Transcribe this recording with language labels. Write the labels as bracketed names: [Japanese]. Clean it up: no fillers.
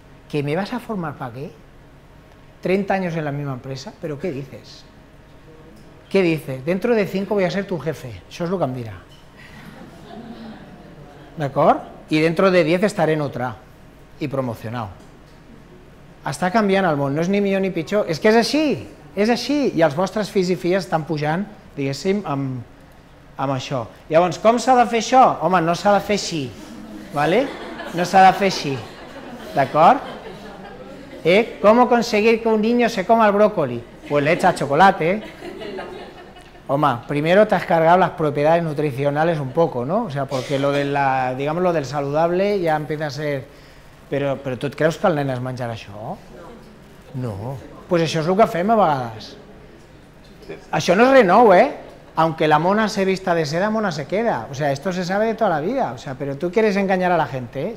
[Spanish] ¿Que me vas a formar para qué? 30 años en la misma empresa, pero ¿qué dices? ¿Qué dices? Dentro de 5 voy a ser tu jefe, eso es lo que me dirá. [Catalan] ¿D'acord? [Spanish] Y dentro de 10 estaré en otra y promocionado. [Catalan] Està canviant el món, no és ni millor ni pitjor, és que és així, és així. I els vostres fills i filles estan pujant, diguéssim, amb això. Llavors, com s'ha de fer això? Home, no s'ha de fer així, ¿vale? No s'ha de fer així, d'acord? ¿Eh? [Spanish] ¿Cómo conseguir que un niño se coma el brócoli? Pues le echa chocolate, ¿eh? Home, primero te has cargado las propiedades nutricionales un poco, ¿no? O sea, porque lo de la, digamos, lo del saludable ya empieza a ser... [Catalan] Però tu et creus que el nen es menjarà això? No. No. Pues això és el que fem a vegades. Això no és res nou, [Spanish] eh? Aunque la mona se vista de seda, mona se queda. O sea, esto se sabe de toda la vida. O sea, pero tú quieres engañar a la gente, eh?